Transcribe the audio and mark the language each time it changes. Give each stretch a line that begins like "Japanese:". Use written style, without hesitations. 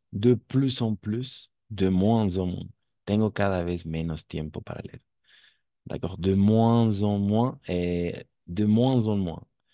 French: De plus en plus, de moins en moins.
Spanish: Tengo cada vez menos tiempo para leer.
French: D'accord. De moins en moins et de moins en moins.